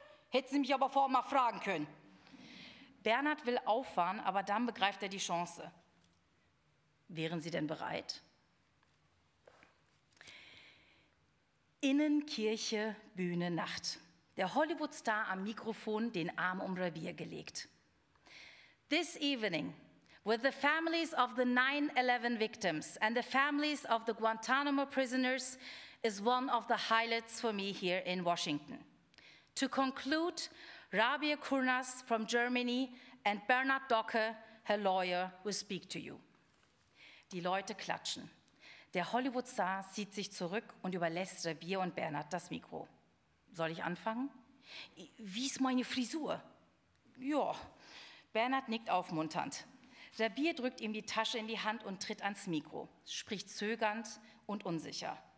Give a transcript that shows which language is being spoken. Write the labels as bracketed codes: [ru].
[de] Hätten Sie mich aber vorher mal fragen können. Bernhard will auffahren, aber dann begreift er die Chance. Wären Sie denn bereit? Innenkirche, Bühne, Nacht. Der Hollywood-Star am Mikrofon den Arm um Revier gelegt. [en] This evening, with the families of the 9/11 victims and the families of the Guantanamo prisoners, is one of the highlights for me here in Washington. To conclude, Rabia Kurnas from Germany and Bernhard Docke, her lawyer, will speak to you. [de] Die Leute klatschen. Der Hollywood-Star zieht sich zurück und überlässt Rabia und Bernhard das Mikro. Soll ich anfangen? Wie ist meine Frisur? Ja. Bernhard nickt aufmunternd. Rabir drückt ihm die Tasche in die Hand und tritt ans Mikro, spricht zögernd und unsicher.